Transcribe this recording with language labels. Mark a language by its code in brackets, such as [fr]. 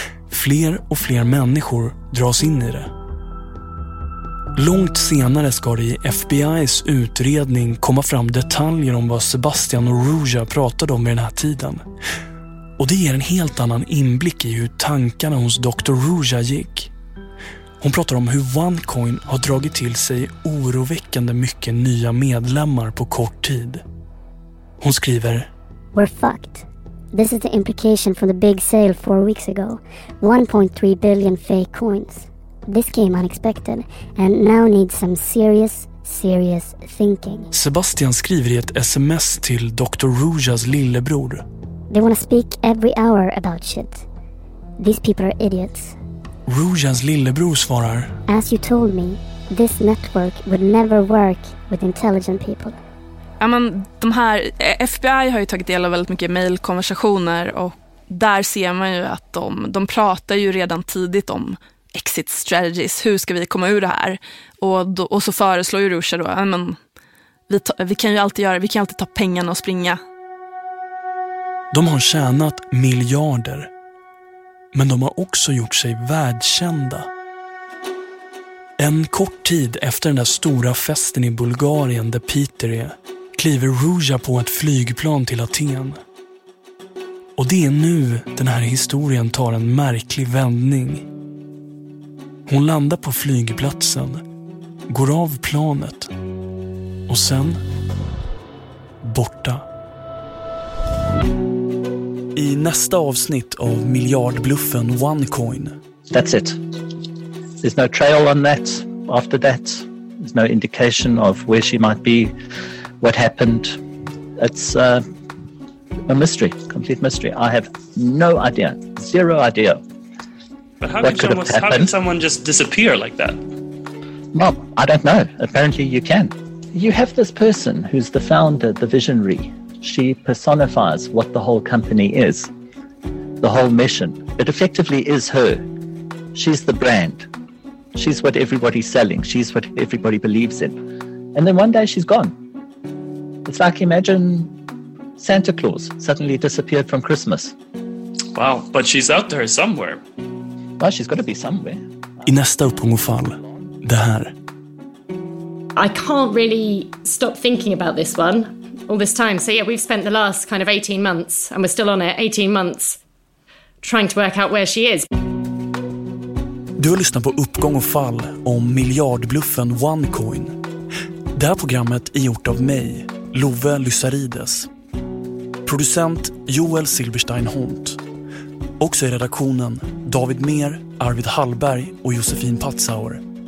[sv] Fler och fler människor dras in i det. Långt senare ska det i FBIs utredning komma fram detaljer om vad Sebastian och Ruja pratade om i den här tiden. Och det ger en helt annan inblick i hur tankarna hos Dr. Ruja gick. Hon pratar om hur OneCoin har dragit till sig oroväckande mycket nya medlemmar på kort tid. Hon skriver: [en] We're fucked. This is the implication for the big sale 4 weeks ago. 1.3 billion fake coins. This came unexpected and now needs some serious, serious thinking. [sv] Sebastian skriver i ett sms till Dr. Rujas lillebror. [en] They want to speak every hour about shit. These people are idiots. [sv] Rujas lillebror svarar: [en] As you told me, this network would never work with intelligent people. [sv] Ja, men de här, FBI har ju tagit del av väldigt mycket mailkonversationer och där ser man ju att de pratar ju redan tidigt om exit strategies, hur ska vi komma ur det här? Och så föreslår ju Ruja då, ja, men vi kan alltid ta pengarna och springa. De har tjänat miljarder, men de har också gjort sig världskända. En kort tid efter den där stora festen i Bulgarien där Peter är, kliver Ruja på ett flygplan till Aten. Och det är nu den här historien tar en märklig vändning. Hon landar på flygplatsen, går av planet och sen borta. I nästa avsnitt av miljardbluffen OneCoin. [en] That's it. There's no trail on that after that. There's no indication of where she might be. What happened? It's a mystery, complete mystery. I have no idea, zero idea. But how can someone just disappear like that? Well, I don't know. Apparently you can. You have this person who's the founder, the visionary. She personifies what the whole company is, the whole mission. It effectively is her. She's the brand. She's what everybody's selling. She's what everybody believes in. And then one day she's gone. It's like, imagine Santa Claus suddenly disappeared from Christmas. Wow, but she's out there somewhere. Well, she's got to be somewhere. [sv] I nästa uppgångsfall, det här. [en] I can't really stop thinking about this one all this time. So yeah, we've spent the last kind of 18 months, and we're still on it, 18 months, trying to work out where she is. [sv] Du har lyssnat på Uppgång och fall om miljardbluffen OneCoin. Det här programmet är gjort av mig, Love Lysarides. Producent Joel Silberstein Hont. Också i redaktionen David Mer, Arvid Hallberg och Josefin Patsauer.